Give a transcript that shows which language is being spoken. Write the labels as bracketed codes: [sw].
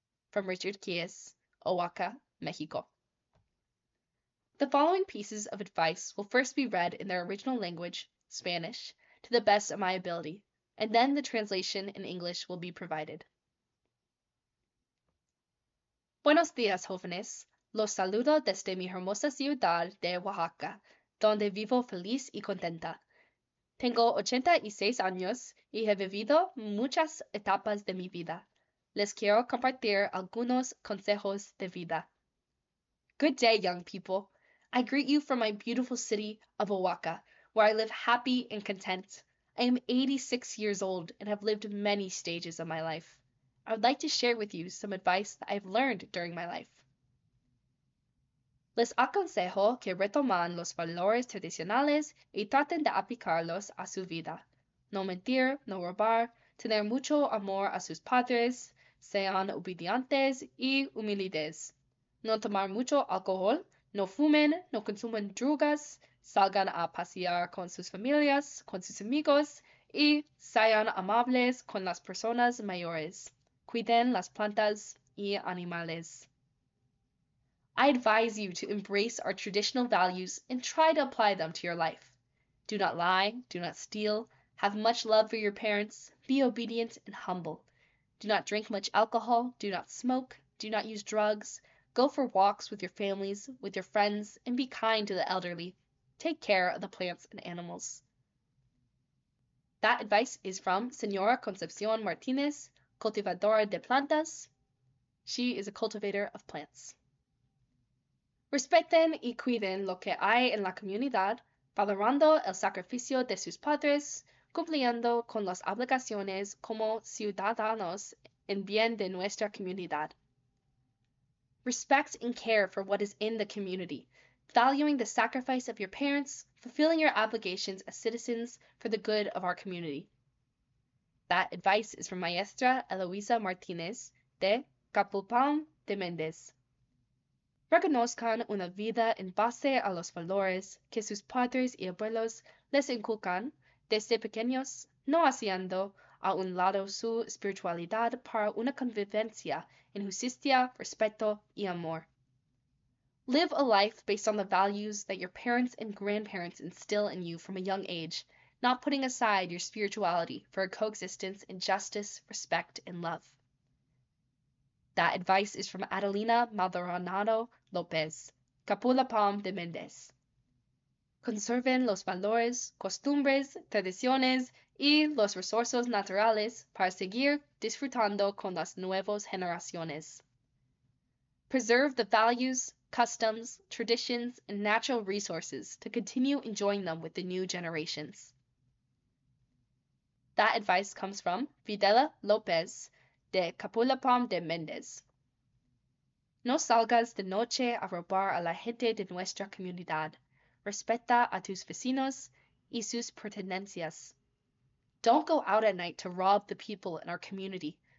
[en] From Richard Kies, Oaxaca, Mexico. The following pieces of advice will first be read in their original language, Spanish, to the best of my ability, and then the translation in English will be provided. [es] Buenos días, jóvenes. Los saludo desde mi hermosa ciudad de Oaxaca, donde vivo feliz y contenta. Tengo 86 años y he vivido muchas etapas de mi vida. Les quiero compartir algunos consejos de vida. [en] Good day, young people. I greet you from my beautiful city of Oaxaca, where I live happy and content. I am 86 years old and have lived many stages of my life. I would like to share with you some advice that I have learned during my life. [es] Les aconsejo que retoman los valores tradicionales y traten de aplicarlos a su vida. No mentir, no robar, tener mucho amor a sus padres, sean obedientes y humildes. No tomar mucho alcohol, no fumen, no consumen drogas, salgan a pasear con sus familias, con sus amigos y sean amables con las personas mayores. Cuiden las plantas y animales. [en] I advise you to embrace our traditional values and try to apply them to your life. Do not lie, do not steal, have much love for your parents, be obedient and humble. Do not drink much alcohol, do not smoke, do not use drugs, go for walks with your families, with your friends, and be kind to the elderly. Take care of the plants and animals. That advice is from Señora Concepción Martínez, [es] cultivadora de plantas. [en] She is a cultivator of plants. [es] Respeten y cuiden lo que hay en la comunidad, valorando el sacrificio de sus padres, cumpliendo con las obligaciones como ciudadanos en bien de nuestra comunidad. [en] Respect and care for what is in the community, valuing the sacrifice of your parents, fulfilling your obligations as citizens for the good of our community. That advice is from Maestra Eloisa Martinez de Capulpan de Mendez. [es] Reconozcan una vida en base a los valores que sus padres y abuelos les inculcan desde pequeños, no haciendo a un lado su espiritualidad para una convivencia en justicia, respeto y amor. [en] Live a life based on the values that your parents and grandparents instill in you from a young age, not putting aside your spirituality for a coexistence in justice, respect, and love. That advice is from Adelina Maldonado López, Capulapam de Méndez. [es] Conserven los valores, costumbres, tradiciones y los recursos naturales para seguir disfrutando con las nuevas generaciones. [en] Preserve the values, customs, traditions, and natural resources to continue enjoying them with the new generations. That advice comes from Fidela López de Capulapam de Méndez. [es] No salgas de noche a robar a la gente de nuestra comunidad. Respeta a tus vecinos y sus pertenencias. [en] Don't go out at night to rob the people in our community.